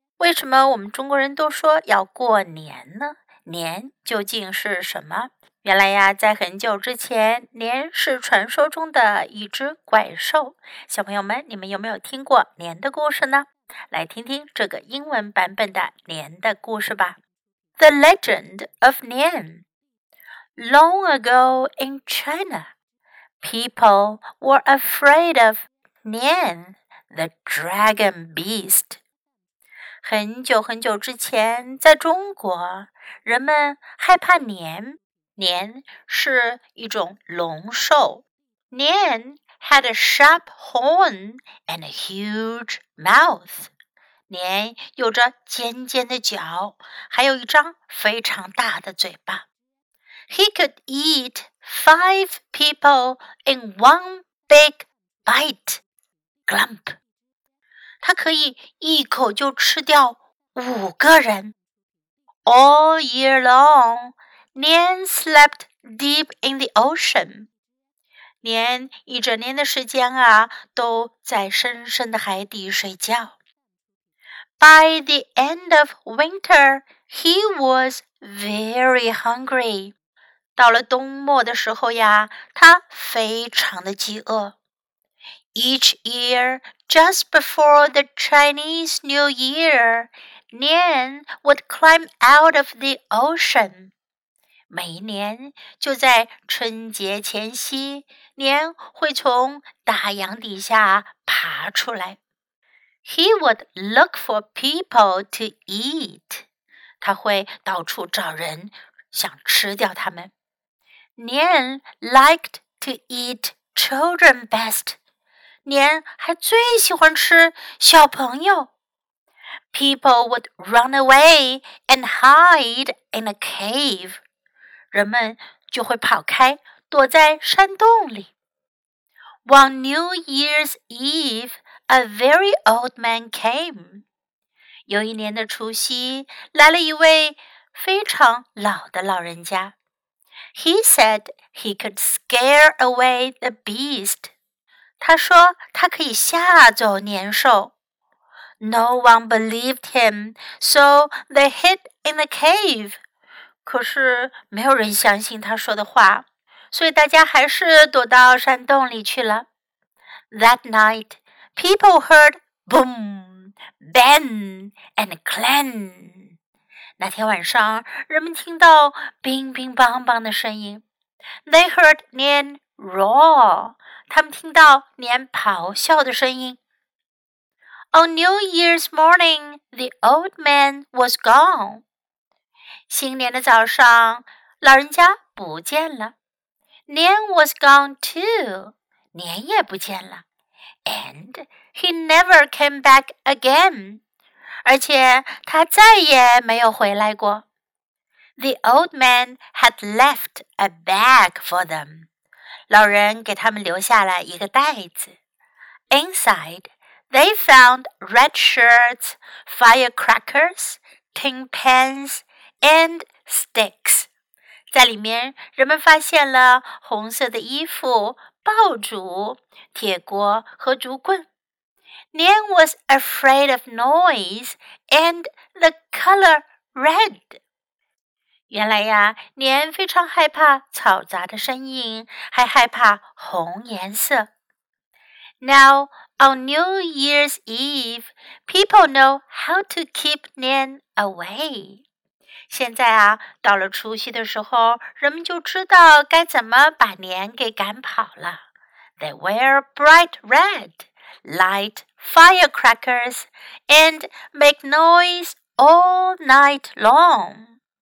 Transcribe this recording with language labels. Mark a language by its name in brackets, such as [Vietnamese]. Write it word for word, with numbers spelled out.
[Chinese] 为什么我们中国人都说要过年呢？年究竟是什么？原来呀，在很久之前，年是传说中的一只怪兽。小朋友们，你们有没有听过年的故事呢？来听听这个英文版本的年的故事吧。 [English] The Legend of Nian。 Long ago in China, people were afraid of Nian, the dragon beast. [Chinese] 很久很久之前，在中国，人们害怕年。年是一种龙兽。 [English] Nian had a sharp horn and a huge mouth. [Chinese] 年有着尖尖的角，还有一张非常大的嘴巴。 [English] He could eat five people in one big bite. Glump. [Chinese] 他可以一口就吃掉五个人。 [English] All year long, Nian slept deep in the ocean. [Chinese] Nian一整年的时间啊，都在深深的海底睡觉。 [English] By the end of winter, he was very hungry. [Chinese] 到了冬末的时候呀，他非常的饥饿。 [English] Each year, just before the Chinese New Year, Nian would climb out of the ocean. [Chinese] 每一年就在春节前夕，年会从大洋底下爬出来。 [English] He would look for people to eat. [Chinese] 他会到处找人，想吃掉他们。 [English] Nian liked to eat children best. [Chinese] Nian还最喜欢吃小朋友。 [English] People would run away and hide in a cave. [Chinese] 人们就会跑开，躲在山洞里。 [English] On New Year's Eve, a very old man came. [Chinese] 有一年的除夕，来了一位非常老的老人家。 [English] He said he could scare away the beast. [Chinese] 他说他可以吓走年兽。 [English] No one believed him, so they hid in the cave. [Chinese] 可是没有人相信他说的话，所以大家还是躲到山洞里去了。 [English] That night, people heard boom, bang, and clang. [Chinese] 那天晚上，人们听到乒乒乓乓的声音。 [English] They heard Nian roar. [Chinese] 他们听到年咆哮的声音。 [English] On New Year's morning, the old man was gone. [Chinese] 新年的早上，老人家不见了。 [English] Nian was gone too. [Chinese] 年也不见了。 [English] And he never came back again. [Chinese] 而且他再也没有回来过。 [English] The old man had left a bag for them. [Chinese] 老人给他们留下了一个袋子。 [English] Inside, they found red shirts, firecrackers, tin pans, and sticks. [Chinese] 在里面，人们发现了红色的衣服、爆竹、铁锅和竹棍。 [English] Nian was afraid of noise and the color red. [Chinese] 原来呀，年非常害怕嘈杂的声音，还害怕红颜色。 [English] Now, on New Year's Eve, people know how to keep Nian away. [Chinese] 现在啊，到了除夕的时候，人们就知道该怎么把年给赶跑了。 [English] They wear bright red. Light firecrackers and make noise all night long.